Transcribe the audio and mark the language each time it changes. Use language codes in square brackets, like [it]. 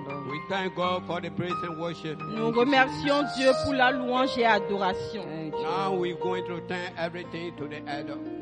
[en] We thank God for the praise and worship. [fr] Nous remercions Dieu pour la louange et adoration. [en] Now we going to turn everything to the Adam.